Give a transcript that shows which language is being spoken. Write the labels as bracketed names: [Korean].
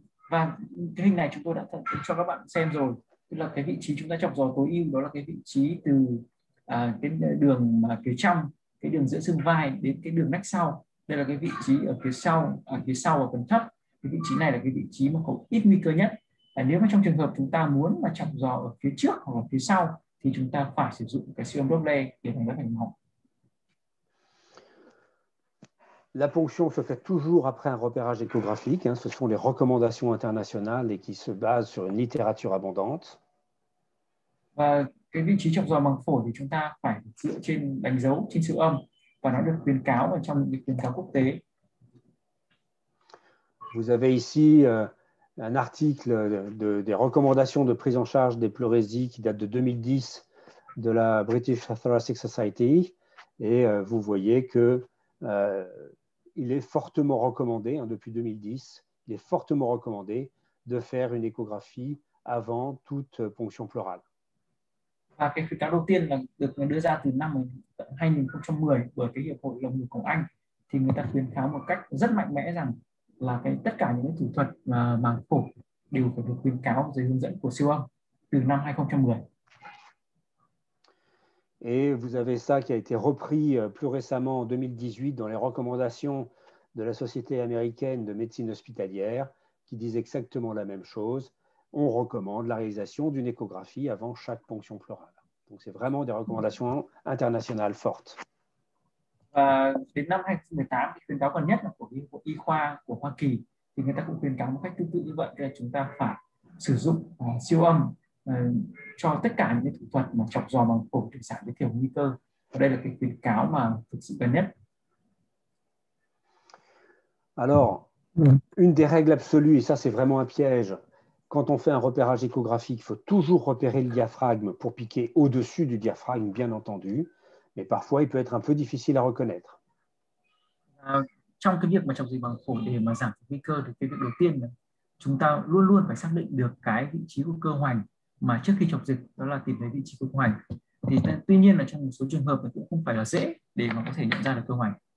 [Vietnamese] Và cái hình này chúng tôi đã cho các bạn xem rồi, tức là cái vị trí chúng ta chọc dò tối ưu đó là cái vị trí từ cái đường mà phía trong, cái đường giữa xương vai đến cái đường nách sau. Đây là cái vị trí ở phía sau, ở phần thấp. Cái vị trí này là cái vị trí mà có ít nguy cơ nhất. Nếu mà trong trường hợp chúng ta muốn mà chọc dò ở phía trước hoặc là phía sau thì chúng ta phải sử dụng cái siêu âm Doppler để phòng vết thành hỏng. [French] La ponction se fait toujours après un repérage échographique. Hein, ce sont les recommandations internationales et qui se basent sur une littérature abondante. [Vietnamese] Và cái vị trí chọc dò màng phổi thì chúng ta phải dựa trên đánh dấu trên siêu âm và nó được khuyến cáo ở trong những khuyến cáo quốc tế. [French] Vous avez ici un article des recommandations de prise en charge des pleurésies qui date de 2010 de la British Thoracic Society et vous voyez que il est fortement recommandé, hein, depuis 2010, il est fortement recommandé de faire une échographie avant toute ponction pleurale. [Vietnamese] Và cái khuyến cáo đầu tiên là được đưa ra từ năm 2010 bởi cái Hiệp hội Lồng ngực của Anh, thì người ta khuyến cáo một cách rất mạnh mẽ rằng là cái tất cả những cái thủ thuật màng phổi đều phải được khuyến cáo dưới hướng dẫn của siêu âm từ năm 2010. [French] Et vous avez ça qui a été repris plus récemment en 2018 dans les recommandations de la Société américaine de médecine hospitalière qui disent exactement la même chose. On recommande la réalisation d'une échographie avant chaque ponction pleurale. Donc, c'est vraiment des recommandations internationales fortes. [Vietnamese] Đến năm 2018, khuyến cáo gần nhất là của y khoa của Hoa Kỳ, thì người ta cũng khuyến cáo một cách tương tự như vậy, là chúng ta phải sử dụng siêu âm cho tất cả những thủ thuật mà chọc dò màng phổi thực sản với thiểu nguy cơ. Và đây là cái khuyến cáo mà thực sự gần nhất. [French] Alors, une des règles absolues, et ça c'est vraiment un piège, quand on fait un repérage échographique, il faut toujours repérer le diaphragme pour piquer au-dessus du diaphragme, bien entendu. Mais parfois, il peut être un peu difficile à reconnaître. [Vietnamese] Trong cái việc mà chọc dò màng phổi để mà giảm nguy cơ, thì cái việc đầu tiên là chúng ta luôn luôn phải xác định được cái vị trí của cơ hoành mà trước khi chọc dịch, đó là tìm thấy vị trí của cơ hoành. Thì tuy nhiên là trong một số trường hợp cũng không phải là dễ để mà có thể nhận ra được cơ hoành.